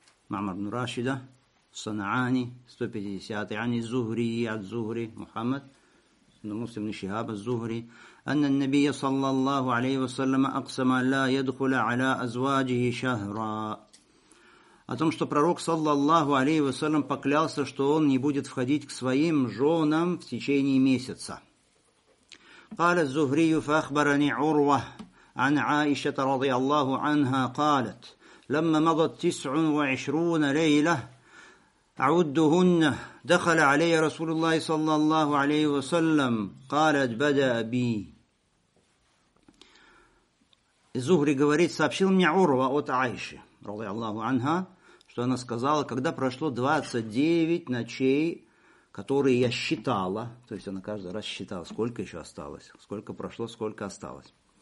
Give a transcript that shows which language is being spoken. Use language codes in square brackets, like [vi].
[ru] Маамар ибн Рашида, Санаани, 150-й, ани Зухри, яд Зухри, Мухаммад, но Муслим не Шихаб, а Зухри, [ar] أن النبي صلى الله عليه وسلم أقسم لا يدخل على أزواجه شهرا. [ru] О том, что пророк, саллаллаху алейхи вассалям, поклялся, что он не будет входить к своим женам в течение месяца. [ar] قال الزهري فأخبرني عروة عن عائشة رضي الله عنها قالت لما مضت 29 ليلة أعدهن دخل علي رسول الله صلى الله عليه وسلم قالت بدأ بي. [ru] Зухри говорит, сообщил мне Урва от Айши, ради Аллаху анха, что она сказала, когда прошло 29 ночей, которые я считала, то есть она каждый раз считала, сколько еще осталось, сколько прошло, сколько осталось.